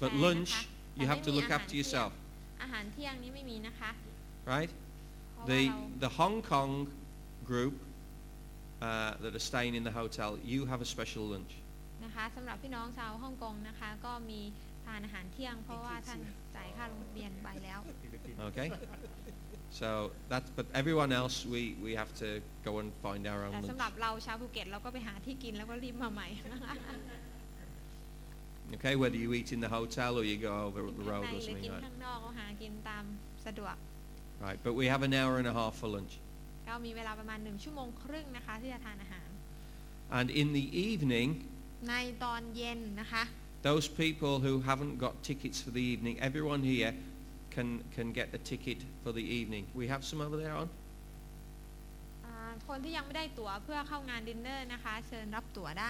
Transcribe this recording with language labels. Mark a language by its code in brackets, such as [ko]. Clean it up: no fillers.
[en] but lunch you have to look after yourself [th] อาหารเที่ยงนี้ไม่มีนะคะ [en] right the Hong Kong groupthat are staying in the hotel you have a special lunch [th] นะคะสําหรับพี่น้องชาวฮ่องกงนะคะก็มีทานอาหารเที่ยงเพราะว่าท่านจ่ายค่าโรงเรียนไปแล้ว [en] okay so that's but everyone else we have to go and find our own lunch [th] สําหรับเราชาวภูเก็ตเราก็ไปหาที่กินแล้วก็รีบมาใหม่ [en] okay whether you eat in the hotel or you go over the road or something like that [th] ข้างนอกหากินตามสะดวก [en] right but we have an hour and a half for lunch [th] เรามีเวลาประมาณ1ชั่วโมงครึ่งนะคะที่จะทานอาหาร [en] And in the evening [th] ในตอนเย็นนะคะ [en] Those people who haven't got tickets for the evening everyone here can get a ticket for the evening We have some over there on [th] คนที่ยังไม่ได้ตั๋วเพื่อเข้างานดินเนอร์นะคะเชิญรับตั๋วได